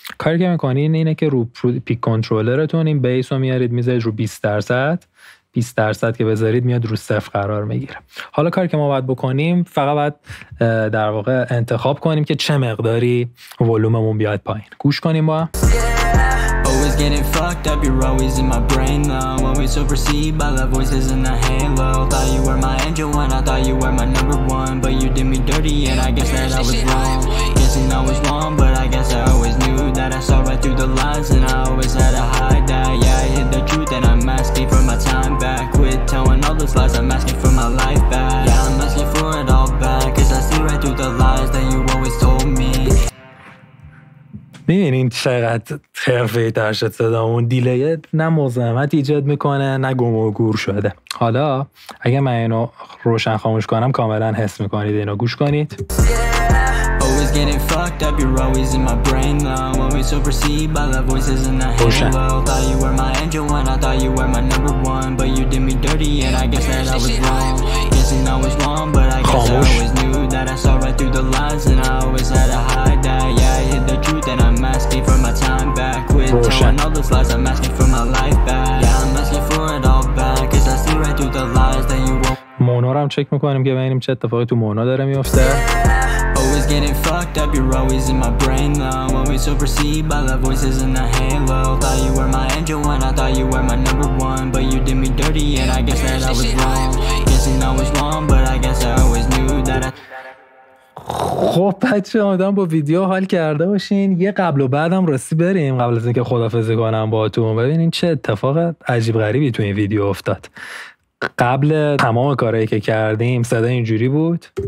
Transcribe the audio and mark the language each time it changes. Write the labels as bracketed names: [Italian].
[Persian] کاری که میکنید اینه که رو پیک کنترلرتون این بیس رو میارید، میذارید رو 20%. 20% که بذارید میاد رو صفر قرار میگیره. حالا کاری که ما باید بکنیم، فقط باید در واقع انتخاب کنیم که چه مقداری ولوممون بیاد پایین. گوش کنیم با. [English] Always getting fucked up, you're always in my brain now. Always overseen by the voices in the halo. Thought you were my angel when I thought you were my number one. But you did me dirty and I guess that I was wrong. Guessing I was wrong, but I guess I always knew that I saw right through the lies and I always had to hide that. Yeah, I hid the truth and I'm asking for my time back. Quit telling all those lies, I'm asking for my life back. Yeah, I'm asking for it all back. Cause I see right through the lies that you always told me. [Persian] میبینین چقدر حرفه‌ای تر شد صدامون؟ دیلیه نه مزاحمت ایجاد میکنه نه گم و گور شده. حالا اگه من اینو روشن خاموش کنم کاملا حس میکنید، اینو گوش کنید. [English] Always getting fucked up, you're always in my brain now. Always overseen by the voices in the halo. Thought you were my angel when I thought you were my number one. But you did me dirty and I guess that I was wrong. Guessing I was wrong, but I guess I always knew that I saw right through the lies and I always had to hide that. Yeah, I hid the truth and I'm asking for my time back. Quit telling all those lies, I'm asking for my life back. Yeah, I'm asking for it all back. Cause I see right through the lies that you won't. [Persian] مونو رو هم چک میکنیم که ببینیم چه اتفاقی تو مونو داره میفته. [English] getting fucked up, you're always in my brain though. Always overseen by the voices in the halo. Thought you were my angel when I thought you were my number one. But you did me dirty and I guess that I was wrong. Guessing I was wrong, but I guess I always knew that I... [Persian] خب بچه آمدن با ویدیو حال کرده باشین، یه قبل و بعدم راستی بریم قبل از اینکه خدافظی کنم با تون. ببینین چه اتفاق عجیب غریبی تو این ویدیو افتاد. قبل تمام کارهایی که کردیم صدا اینجوری بود.